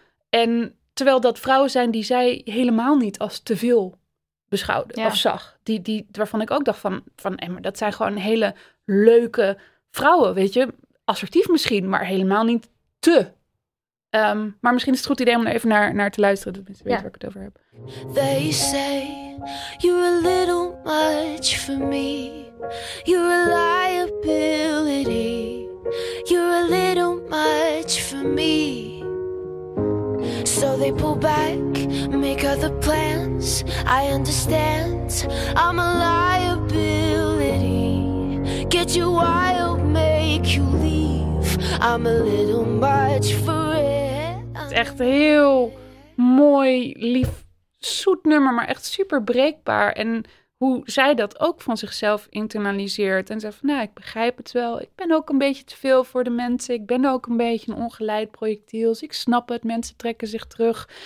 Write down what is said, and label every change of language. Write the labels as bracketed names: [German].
[Dutch] En terwijl dat vrouwen zijn die zij helemaal niet als te veel beschouwde, ja, of zag. Die waarvan ik ook dacht van Emma, dat zijn gewoon hele leuke vrouwen, weet je. Assertief misschien, maar helemaal niet te. Maar misschien is het goed idee om er even naar te luisteren. Dat mensen, ja, weten waar ik het over heb. [English] They say you're a little much for me. You're a liability. You're a little much for me. So they pull back, make other plans. I understand, I'm a liability. Get you wild, make you leave. I'm a little much for it. [Dutch] Echt heel mooi, lief, zoet nummer, maar echt super breekbaar. En hoe zij dat ook van zichzelf internaliseert. En zegt van, nou, ik begrijp het wel. Ik ben ook een beetje te veel voor de mensen. Ik ben ook een beetje een ongeleid projectiel. Ik snap het. Mensen trekken zich terug.